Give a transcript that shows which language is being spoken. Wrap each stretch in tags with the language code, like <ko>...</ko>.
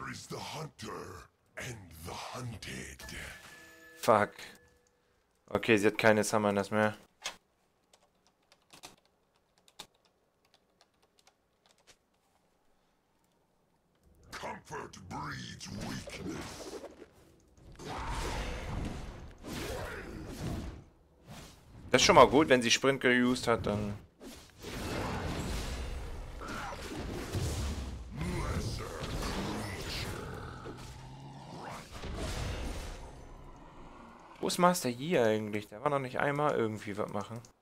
<en>The hunter and the hunted. Fuck.</en> <de>Okay, sie hat keine Summoners mehr.</de> <en>Comfort breeds weakness.</en> <de>Das ist schon mal gut, wenn sie Sprint geused hat, dann. Wo ist Master Yi eigentlich? Der war noch nicht einmal irgendwie was machen.</de>